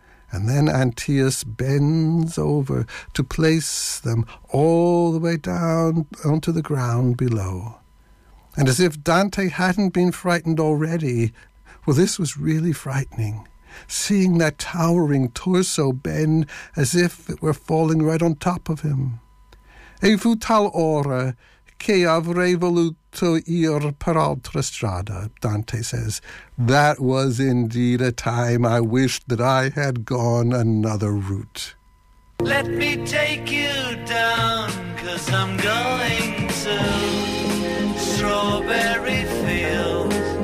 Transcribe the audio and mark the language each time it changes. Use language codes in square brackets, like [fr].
[en] And then Antaeus bends over to place them all the way down onto the ground below. And as if Dante hadn't been frightened already, well, this was really frightening, seeing that towering torso bend as if it were falling right on top of him. [it] E fu tal ora che avrei voluto to ir per altra strada, [en] Dante says. That was indeed a time I wished that I had gone another route. Let me take you down, 'cause I'm going to Strawberry Fields.